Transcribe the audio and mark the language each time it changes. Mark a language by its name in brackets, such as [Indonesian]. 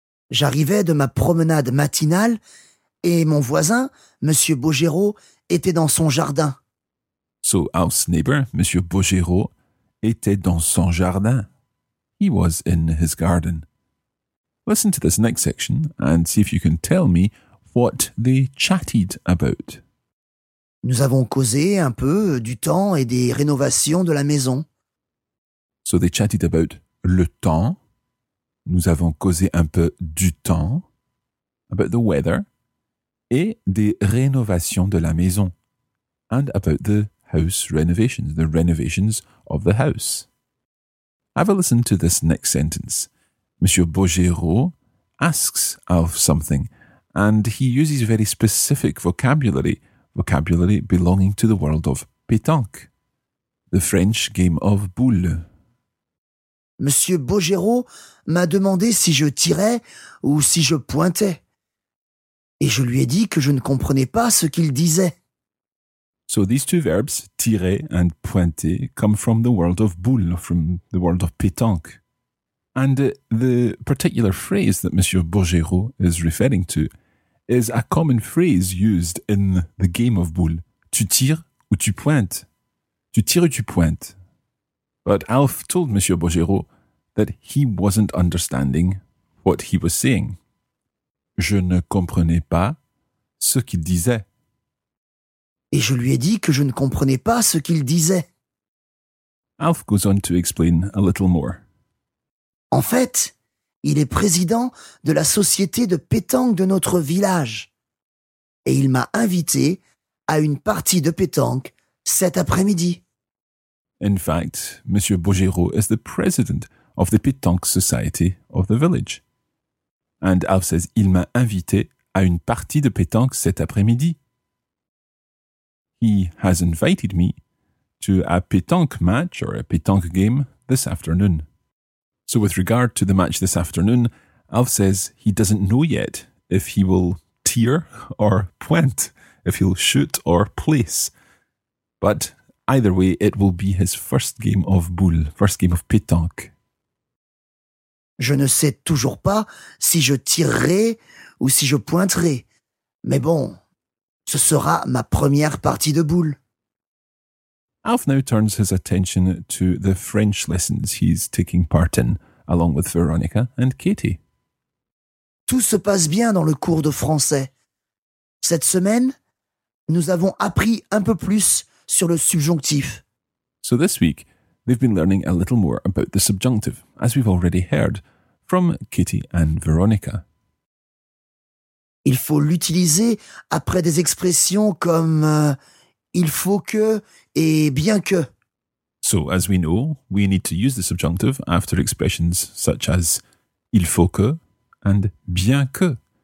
[French] J'arrivais de ma promenade matinale et mon voisin, Monsieur Bogero, était dans son jardin. [English] So Alf's neighbour, [French] Monsieur Bogero, était dans son jardin. [English] He was in his garden. Listen to this next section and see if you can tell me what they chatted about. [French] Nous avons causé un peu du temps et des rénovations de la maison. [English] So they chatted about le temps. [French] Nous avons causé un peu du temps, [English] about the weather, [French] et des rénovations de la maison, [English] and about the house renovations, the renovations of the house. Have a listen to this next sentence. Monsieur Bogero asks Alf something, and he uses very specific vocabulary, vocabulary belonging to the world of pétanque, the French game of boules. [French] Monsieur Bogero m'a demandé si je tirais ou si je pointais. Et je lui ai dit que je ne comprenais pas ce qu'il disait. [English] So these two verbs, tirer and pointer, come from the world of boule, from the world of pétanque. And the particular phrase that Monsieur Bogero is referring to is a common phrase used in the game of boule. [French] Tu tires ou tu pointes? Tu tires ou tu pointes? [English] But Alf told Monsieur Bogero that he wasn't understanding what he was saying. [French] Je ne comprenais pas ce qu'il disait. Et je lui ai dit que je ne comprenais pas ce qu'il disait. [English] Alf goes on to explain a little more. [French] En fait, il est président de la société de pétanque de notre village. Et il m'a invité à une partie de pétanque cet après-midi. [English] In fact, Monsieur Bogero is the president of the pétanque society of the village. And Alf says, [French] il m'a invité à une partie de pétanque cet après-midi. [English] He has invited me to a pétanque match or a pétanque game this afternoon. So with regard to the match this afternoon, Alf says he doesn't know yet if he will tear or point, if he'll shoot or place. But either way, it will be his first game of boule, first game of pétanque. [French] Je ne sais toujours pas si je tirerai ou si je pointerai. Mais bon, ce sera ma première partie de boule. [English] Alf now turns his attention to the French lessons he's taking part in, along with Veronica and Katie. [French] Tout se passe bien dans le cours de français. Cette semaine, nous avons appris un peu plus sur le subjonctif. [English] So this week, they've been learning a little more about the subjunctive, as we've already heard, from Kitty and Veronica. [French] Il faut l'utiliser après des expressions comme il faut que et bien que. [English] So, as we know, we need to use the subjunctive after expressions such as [French] il faut que [English] and [French] bien que.